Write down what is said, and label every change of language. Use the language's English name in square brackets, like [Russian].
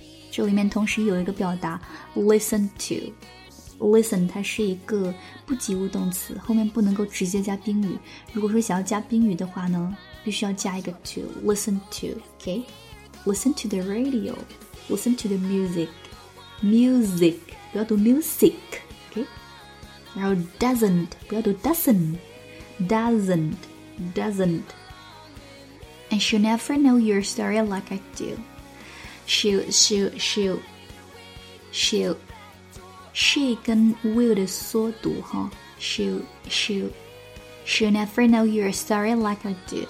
[Chinese] 这里面同时有一个表达 listen to， listen 它是一个不及物动词，后面不能够直接加宾语。如果说想要加宾语的话呢，必须要加一个 to， [English] listen to， OK， listen to the radio， listen to the music， [Chinese] music 不要读 music， OK， 然后 doesn't 不要读 doesn't。 [English] And she'll never know your story like I do. [Chinese] She 跟 will 的缩读哈。 [English] She'll never know your story like I do.